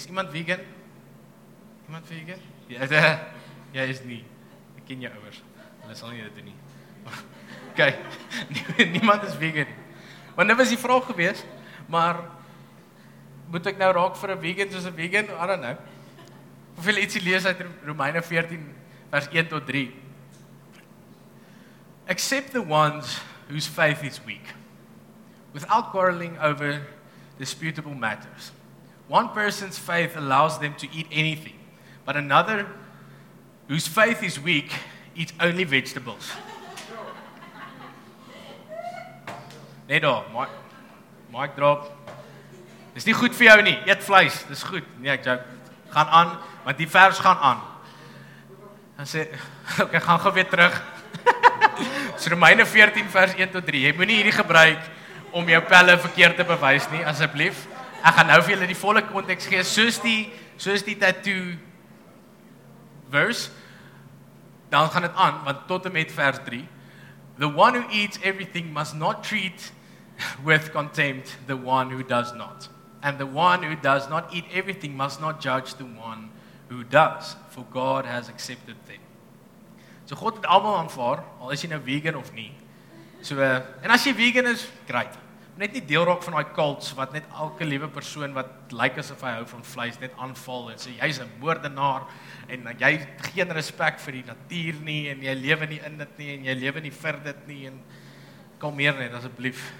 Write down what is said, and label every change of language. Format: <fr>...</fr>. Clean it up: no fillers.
<af>Is iemand vegan? Iemand vegan? Jy is nie. Ek ken jou ouers. Hulle sal nie dit doen nie. Ok, niemand is vegan nie. Want dit was die vraag gewees, maar moet ek nou raak vir 'n vegan soos 'n vegan?</af> <en>I don't know.</en> <af>Hoeveel ietsie lees uit Romeine 14 vers 1 tot 3?</af> <en>Except the ones whose faith is weak, without quarreling over disputable matters. One person's faith allows them to eat anything, but another whose faith is weak eats only vegetables.</en> <af>Net daar,</af> <en>mic drop.</en> <af>Dis nie goed vir jou nie, eet vleis, dis goed. Nee, ek joke. Gaan aan, want die vers gaan aan. Dan sê, ok, gaan gou weer terug. So Romeine 14 vers 1 tot 3. Jy moet nie hierdie gebruik om jou pelle verkeerd te bewys nie, asseblief. Ek gaan nou vir julle die volle context gee, soos die tattoo verse, dan gaan het aan, want tot en met vers 3.</af> <en>The one who eats everything must not treat with contempt the one who does not. And the one who does not eat everything must not judge the one who does, for God has accepted them.</en> <af>So God het allemaal aanvaar, al is jy nou vegan of nie. So, en as jy vegan is, great. Net nie deelraak van die cults, wat net elke liewe persoon, wat lyk asof hy hou van vleis, net aanval, en sê, jy is een moordenaar, en jy het geen respect vir die natuur nie, en jy lewe nie in dit nie, en jy lewe nie vir dit nie, en kom meer net, asjeblief.</af>